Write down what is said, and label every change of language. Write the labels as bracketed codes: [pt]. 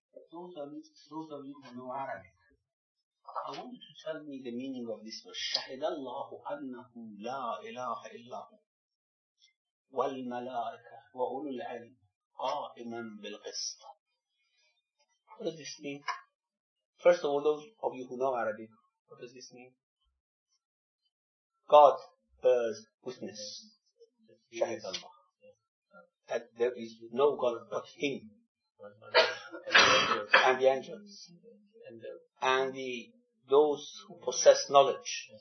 [en] Those of you who know Arabic, I want you to tell me the meaning of this verse. [ar] شَهِدَ اللَّهُ أَنَّهُ لَا إِلَهَ إِلَّا هُ. والملائكة وأولو العلم قائما بالقسط. [en] What does this mean? First of all, those of you who know Arabic, what does this mean? God bears witness. [ar] شهد الله. [en] That there is no God but Him. And the angels. And the those who possess knowledge.